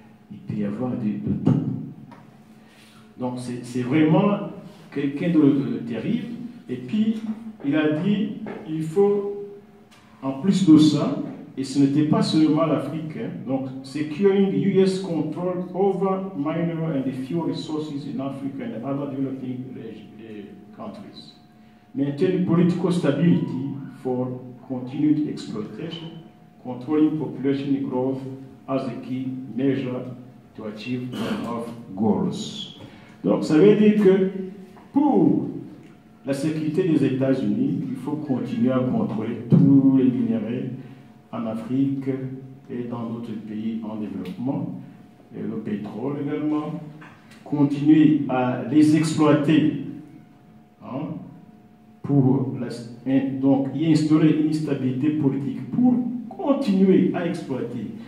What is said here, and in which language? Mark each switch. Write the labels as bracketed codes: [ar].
[fr] Il peut y avoir de tout. Donc, c'est vraiment quelqu'un de terrible. Et puis, il a dit, il faut, en plus de ça, et ce n'était pas seulement l'Afrique, hein, donc, [en] securing U.S. control over mineral and fuel resources in Africa and other developing countries. Maintaining political stability for continued exploitation, controlling population growth as a key measure to achieve one of goals. [fr] Donc, ça veut dire que pour la sécurité des États-Unis, il faut continuer à contrôler tous les minéraux en Afrique et dans d'autres pays en développement, et le pétrole également, continuer à les exploiter, hein, pour donc y instaurer une stabilité politique, pour continuer à exploiter.